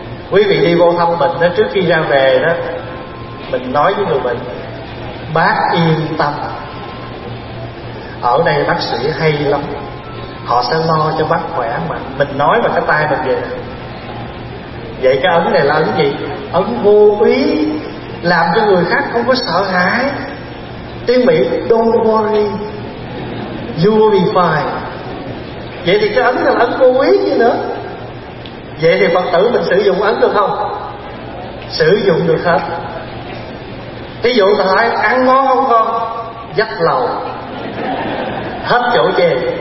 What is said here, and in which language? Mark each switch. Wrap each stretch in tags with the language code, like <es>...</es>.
<vi>Quý vị đi vô thăm bệnh đó, trước khi ra về đó, mình nói với người bệnh: bác yên tâm, ở đây bác sĩ hay lắm, họ sẽ lo cho bác khỏe mạnh. Mình nói vào cái tay mình vậy. Vậy cái ấn này là ấn gì? Ấn vô úy, làm cho người khác không có sợ hãi. Tiếng Mỹ:</vi> <en>don't worry, you will be fine.</en> <vi>Vậy thì cái ấn này là ấn vô úy gì nữa? Vậy thì Phật tử mình sử dụng ấn được không? Sử dụng được hết. Ví dụ thầy ăn ngon không con? Dắt lầu, hết chỗ chê.</vi>